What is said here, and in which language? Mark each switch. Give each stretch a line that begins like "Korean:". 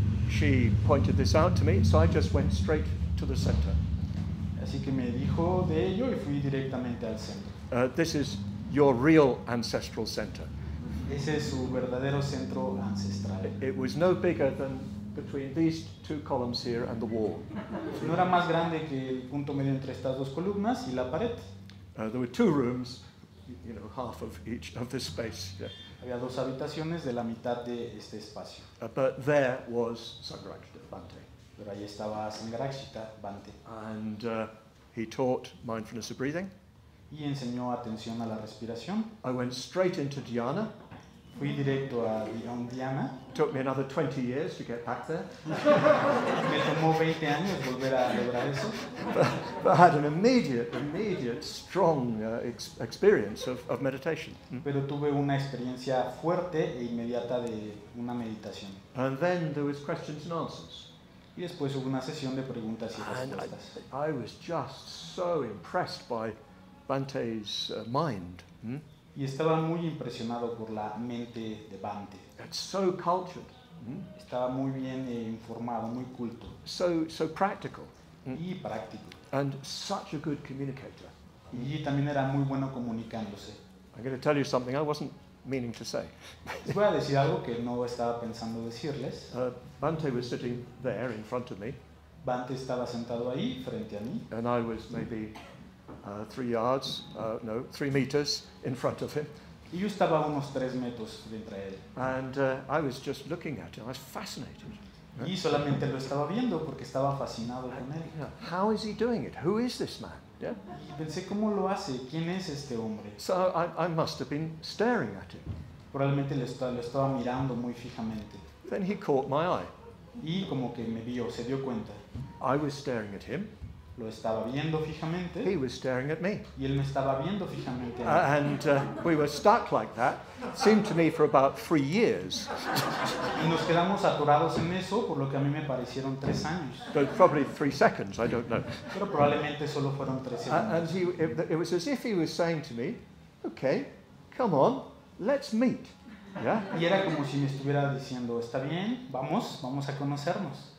English: She pointed this out to me, so I just went straight to the center.
Spanish: Así que me dijo de ello y fui directamente al centro.
English: This is your real ancestral center.
Spanish: Ese es su verdadero centro ancestral.
English: It was no bigger than between these two columns here and the wall.
Spanish: No era más grande que el punto medio entre estas dos columnas y la pared.
English: There were two rooms, you know, half of each of this space. Yeah.
Spanish: Había dos habitaciones de la mitad de este espacio.
English: But there was Sangharakshita Bhante.
Spanish: Pero ahí estaba Sangharakshita Bhante.
English: And he taught mindfulness of breathing.
Spanish: Y enseñó atención a la respiración.
English: I went straight into dhyana.
Spanish: Fui directo a dhyana.
English: Took me another 20 years to get back there.
Spanish: Me tomó 20 años volver a lograr eso.
English: But I had an immediate, strong experience of meditation.
Spanish: Pero tuve una experiencia fuerte e inmediata de una meditación.
English: And then there was questions and answers.
Spanish: Y después hubo una sesión de preguntas y respuestas.
English: I was just so impressed by Bhante's mind.
Spanish: Y estaba muy impresionado por la mente de Bhante.
English: It's so cultured.
Spanish: Estaba muy bien informado, muy culto.
English: So practical.
Spanish: Y práctico.
English: And such a good communicator.
Spanish: Y también era muy bueno comunicándose.
English: I'm going to tell you something I wasn't meaning to say.
Spanish: Les voy a decir algo que no estaba pensando decirles.
English: Bhante was sitting there in front of me.
Spanish: Bhante estaba sentado ahí frente a mí.
English: And I was maybe 3 yards, no, 3 meters in front of him.
Spanish: Y yo estaba unos 3 metros frente a él.
English: And I was just looking at him. I was fascinated.
Spanish: Y solamente lo estaba viendo porque estaba fascinado con él.
English: How is he doing it? Who is this man? Yeah.
Spanish: Y pensé, ¿cómo lo hace? ¿Quién es este hombre?
English: So I must have been staring at him.
Spanish: Probablemente lo estaba mirando muy fijamente.
English: Then he caught my eye.
Spanish: Y como que me vio, se dio cuenta.
English: I was staring at him.
Spanish: Lo estaba viendo fijamente.
English: He was staring at me.
Spanish: Y él me estaba viendo fijamente.
English: And we were stuck like that, seemed to me, for about 3 years.
Spanish: Y nos quedamos atorados en eso, por lo que a mí me parecieron 3 años.
English: So probably 3 seconds, I don't know.
Spanish: Pero probablemente solo fueron 3 segundos.
English: And it was as if he was saying to me, okay, come on, let's meet. Yeah?
Spanish: Y era como si me estuviera diciendo, está bien, vamos a conocernos.